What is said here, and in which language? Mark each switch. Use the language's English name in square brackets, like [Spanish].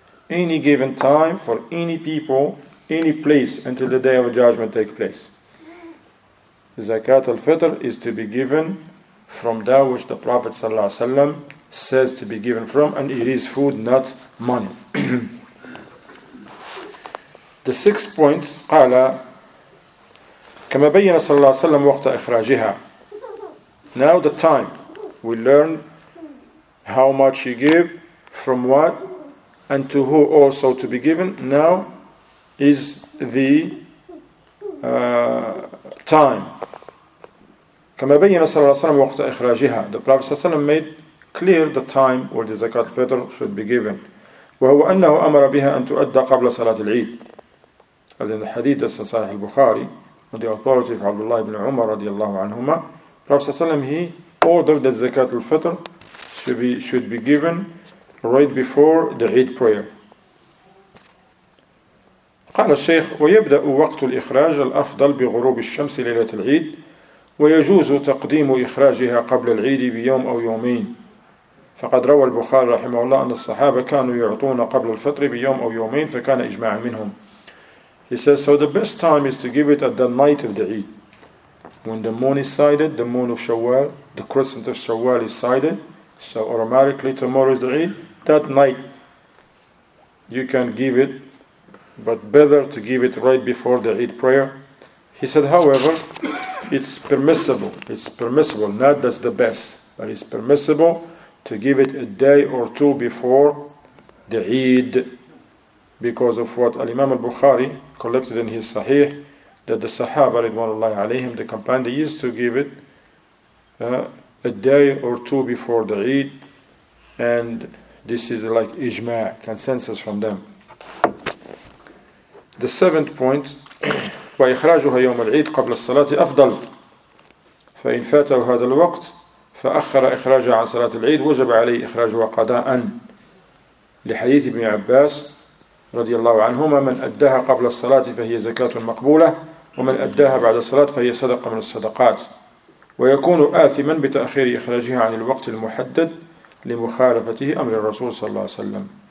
[English] Any given time, for any people, any place, until the day of judgment take place. Zakat al-Fitr is to be given from that which the Prophet sallallahu alaihi wasallam says to be given from, and it is food, not money. The sixth point, [Arabic] qala, كما بين صلى الله عليه وسلم وقت إخراجها. [English] Now the time. We learn how much he gave, from what, and to who also to be given. Now is the time. [Arabic] كما بين صلى الله عليه وسلم وقت إخراجها. [English] The Prophet صلى الله عليه وسلم made clear the time where the Zakat al-Fitr should be given. [Arabic] وهو أنه أمر بها أن تؤدى قبل صلاة العيد. [English] As in the hadith of Sahih al-Bukhari, the authority of Abdullah ibn Umar radiallahu anhuma, Prophet ﷺ, he ordered that Zakat al-Fitr should be given right before the Eid prayer. [Arabic] قال الشيخ ويبدأ وقت الإخراج الأفضل بغروب الشمس ليلة العيد ويجوز تقديم إخراجها قبل العيد بيوم أو يومين. فقد روى البخاري رحمه الله أن الصحابة كانوا يعطون قبل الفطر بيوم أو يومين فكان إجماع منهم. [English] He says, so the best time is to give it at the night of the Eid. When the moon is sighted, the moon of Shawwal, the crescent of Shawwal is sighted, so automatically tomorrow is the Eid, that night you can give it, but better to give it right before the Eid prayer. He said, however, it's permissible, not that's the best, but it's permissible to give it a day or two before the Eid, because of what Al-Imam al-Bukhari collected in his Sahih, that the Sahaba, radiallahu alayhim, the companion, they used to give it a day or two before the Eid, and this is like ijma', consensus from them. The seventh point, [Arabic] وَإِخْرَاجُهَا يَوْمَ الْعِيدِ قَبْلَ الصَّلَاةِ أَفْضَلُ فَإِنْ فَاتَهُ هَذَا الْوَقْتِ فَأَخَّرَ إِخْرَاجَهَا عَنْ صَلَاةِ الْعِيدِ وَجَبَ عَلَيْهِ إِخْرَاجُهَا قَضَاءً لِحَدِيثِ ابْنِ عَبَّاسِ رضي الله عنهما من أداها قبل الصلاة فهي زكاة مقبولة ومن أداها بعد الصلاة فهي صدقة من الصدقات ويكون آثما بتأخير إخراجها عن الوقت المحدد لمخالفته أمر الرسول صلى الله عليه وسلم.